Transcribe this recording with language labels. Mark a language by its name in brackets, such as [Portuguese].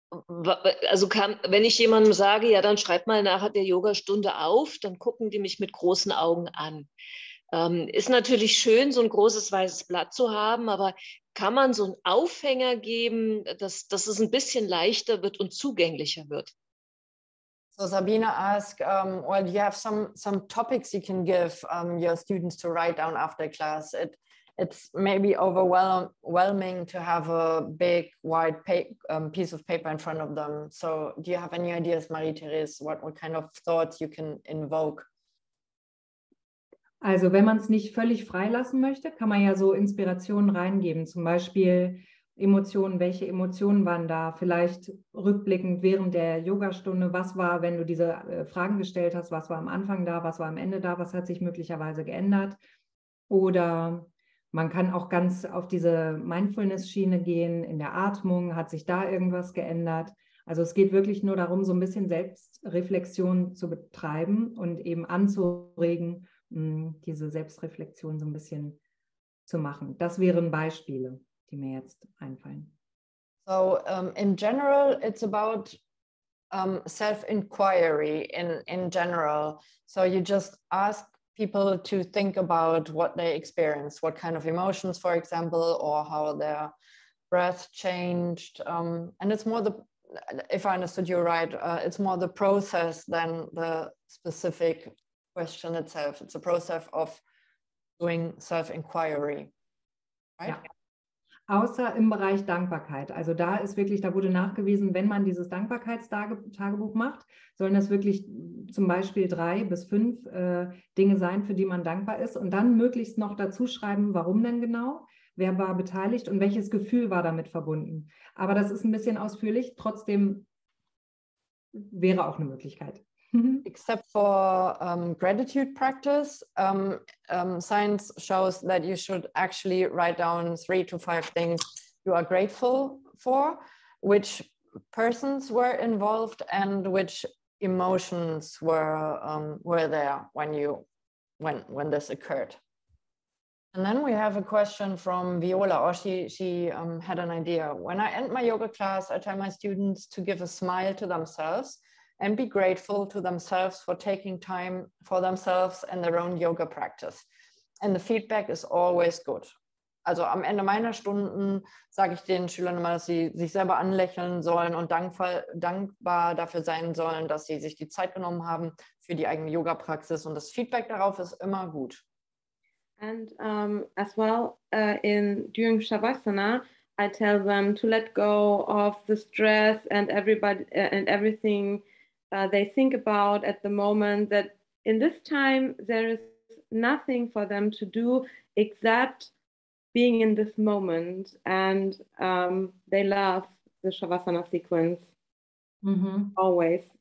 [German] wenn ich jemandem sage, ja, dann schreib mal nach der Yogastunde auf, dann gucken die mich mit großen Augen an. Ist natürlich schön, so ein großes weißes Blatt zu haben, aber kann man so einen Aufhänger geben, dass es ein bisschen leichter wird und zugänglicher wird? [English] So Sabine asked, well, you have some topics you can give your students to write down after class. It's maybe overwhelming to have a big, wide piece of paper in front of them. So do you have any ideas, Marie-Therese, what kind of thoughts you can invoke? [German] Also wenn man es nicht völlig freilassen möchte, kann man ja so Inspirationen reingeben, zum Beispiel Emotionen, welche Emotionen waren da, vielleicht rückblickend während der Yogastunde, was war, wenn du diese Fragen gestellt hast, was war am Anfang da, was war am Ende da, was hat sich möglicherweise geändert? Oder man kann auch ganz auf diese Mindfulness-Schiene gehen, in der Atmung, hat sich da irgendwas geändert? Also es geht wirklich nur darum, so ein bisschen Selbstreflexion zu betreiben und eben anzuregen, diese Selbstreflexion so ein bisschen zu machen. Das wären Beispiele, die mir jetzt einfallen. [English] So in general, it's about self-inquiry in general. So you just ask people to think about what they experienced, what kind of emotions, for example, or how their breath changed. And it's more the, if I understood you right, it's more the process than the specific question itself. It's a process of doing self-inquiry, right? Yeah. [German] Außer im Bereich Dankbarkeit. Also da ist wirklich, da wurde nachgewiesen, wenn man dieses Dankbarkeitstagebuch macht, sollen das wirklich zum Beispiel 3 bis 5 Dinge sein, für die man dankbar ist. Und dann möglichst noch dazu schreiben, warum denn genau, wer war beteiligt und welches Gefühl war damit verbunden. Aber das ist ein bisschen ausführlich. Trotzdem wäre auch eine Möglichkeit. [English] Except for gratitude practice, science shows that you should actually write down 3 to 5 things you are grateful for, which persons were involved and which emotions were there when this occurred. And then we have a question from Viola, or she had an idea. When I end my yoga class, I tell my students to give a smile to themselves and be grateful to themselves for taking time for themselves and their own yoga practice. And the feedback is always good. [German] Also am Ende meiner Stunden sage ich den Schülern immer, dass sie sich selber anlächeln sollen und dankbar dafür sein sollen, dass sie sich die Zeit genommen haben für die eigene Yoga-Praxis. Und das Feedback darauf ist immer gut. [English] And as well, during Shavasana, I tell them to let go of the stress and everybody and everything they think about at the moment, that in this time there is nothing for them to do except being in this moment, and they love the Shavasana sequence always.